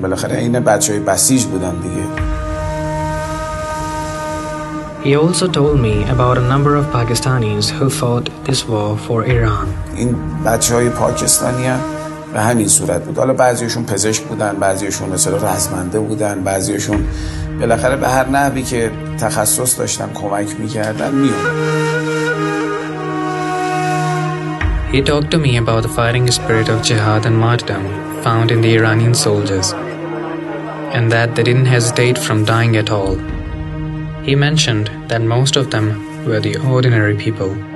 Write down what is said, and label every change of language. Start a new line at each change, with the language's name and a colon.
Persian: بالاخره این بچه های بسیج بودن دیگه.
English: He also told me about a number of Pakistanis who fought this war for Iran.
Persian: این بچهای پاکستانی ها به همین صورت بود. حالا بعضیشون پزشک بودن، بعضیشون مثلا رزمنده بودن، بعضیشون بالاخره به هر نحوی که تخصص داشتن کمک می‌کردن میومد.
English: He talked to me about the fighting spirit of jihad and martyrdom found in the Iranian soldiers and that they didn't hesitate from dying at all. He mentioned that most of them were the ordinary people.